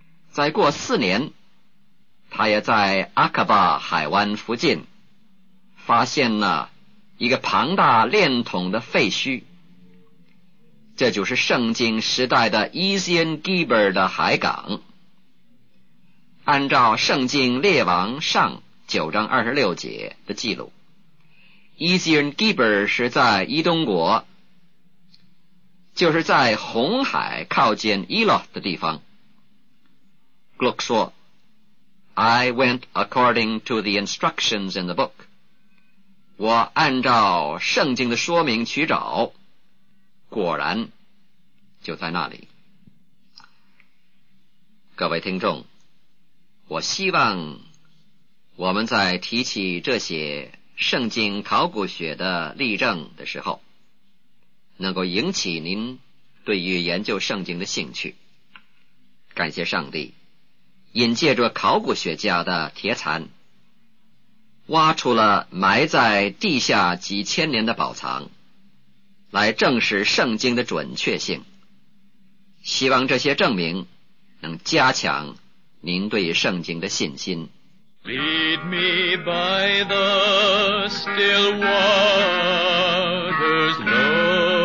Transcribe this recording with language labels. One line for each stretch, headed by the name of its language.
Chinese: 再过4年，他也在阿卡巴海湾附近发现了一个庞大炼铜的废墟，这就是圣经时代的 Ezion Geber 的海港。按照圣经列王上9章26节的记录， Ezion Geber 是在伊东国，就是在红海靠近伊洛的地方。 Gluck 说，
English: I went according to the instructions in the book，
Chinese: 我按照圣经的说明去找，果然就在那里。各位听众，我希望我们在提起这些圣经考古学的例证的时候，能够引起您对于研究圣经的兴趣。感谢上帝，引借着考古学家的铁铲，挖出了埋在地下几千年的宝藏，来证实圣经的准确性。希望这些证明能加强您对于圣经的信心。
English: Lead me by the still waters, Lord.